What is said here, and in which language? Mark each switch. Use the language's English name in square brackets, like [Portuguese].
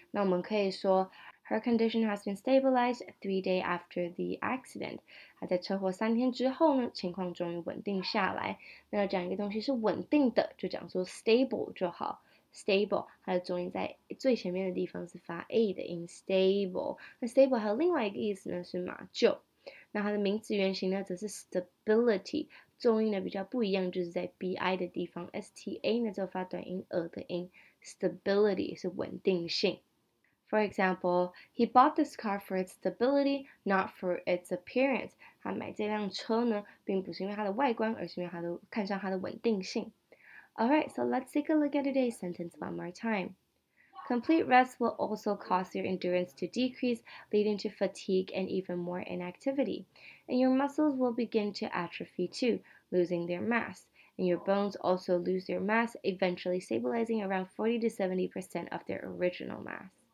[Chinese] 那我们可以说 [English] ,her condition has been stabilized 3 days after the accident. [Chinese] 她在车祸三天之后呢情况终于稳定下来。那要讲一个东西是稳定的就讲说 stable 就好。 stable, 它的重音在最前面的地方是发 A 的音 ,stable。那 stable 还有另外一个意思呢是马厩。那它的名词原型呢，则是 stability， 重音呢比较不一样，就是在 bi 的地方 ，sta 呢就发短音 e 的音 ，stability 是稳定性。 [English] For example, he bought this car for its stability, not for its appearance. [Chinese] 他买这辆车呢，并不是因为它的外观，而是因为看上它的稳定性。 [English] Alright, so let's take a look at today's sentence one more time. Complete rest will also cause your endurance to decrease, leading to fatigue and even more inactivity. And your muscles will begin to atrophy too, losing their mass. And your bones also lose their mass, eventually stabilizing around 40 to 70% of their original mass.